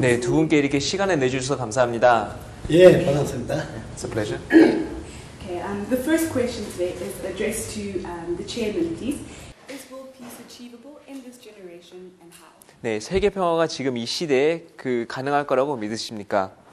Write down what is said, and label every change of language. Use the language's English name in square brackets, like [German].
[Korean] 네, 두 분께 이렇게 시간을 내주셔서 감사합니다. 예, 반갑습니다. [English] It's a pleasure. Okay, the first question today is addressed to the chairman, please. Is world peace achievable in this generation and how? [Korean] 네, 세계 평화가 지금 이 시대에 그 가능할 거라고 믿으십니까?